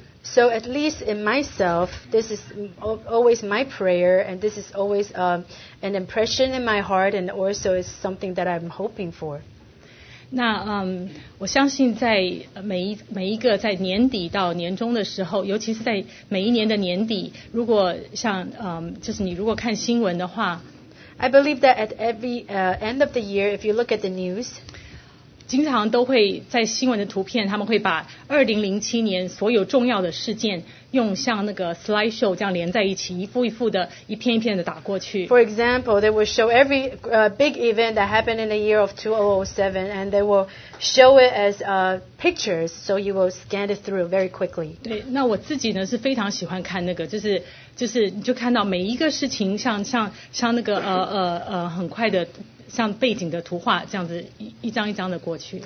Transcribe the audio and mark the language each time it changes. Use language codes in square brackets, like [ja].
[en] So at least in myself, this is always my prayer, and this is always an impression in my heart, and also is something that I'm hoping for. [zh] 那我相信在每一个在年底到年终的时候，尤其是在每一年的年底，如果像就是你如果看新闻的话 [en] ，I believe that at every end of the year, if you look at the news, [zh] 经常都会在新闻的图片，他们会把2007年所有重要的事件用像那个 slideshow 这样连在一起，一幅一幅的，一片一片的打过去。 [en] For example, they will show every big event that happened in the year of 2007, and they will show it as pictures, so you will scan it through very quickly. [zh] 对，那我自己呢是非常喜欢看那个，就是你就看到每一个事情像那个很快的。像背景的图画这样子一张一张的过去。